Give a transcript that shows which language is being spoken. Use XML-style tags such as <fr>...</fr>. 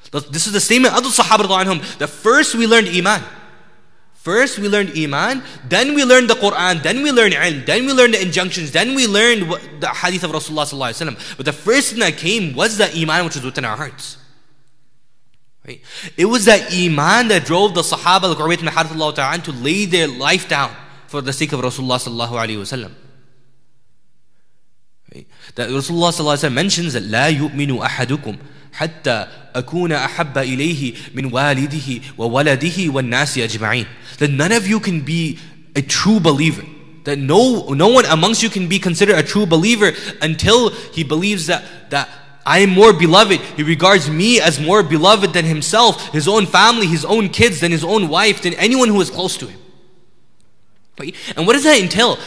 <en>This is the statement of the Sahaba, that first we learned iman. First we learned iman, then we learned the Qur'an, then we learned ilm, then we learned the injunctions, then we learned the hadith of Rasulullah sallallahu alaihi wasallam. But the first thing that came was the iman which was within our hearts. It was that iman that drove the Sahaba like Ubayd ibn Harith radiallahu ta'ala anhu to lay their life down for the sake of Rasulullah sallallahu alaihi wasallam. That Rasulullah sallallahu alaihi wasallam mentions that</en> <ar>لا يؤمن أحدكم حتى أكون أحب إليه من والده وولده والناس أجمعين.</ar> <en>That none of you can be a true believer. That no one amongst you can be considered a true believer until he believes that I am more beloved. He regards me as more beloved than himself, his own family, his own kids, than his own wife, than anyone who is close to him. And what does that entail?</en>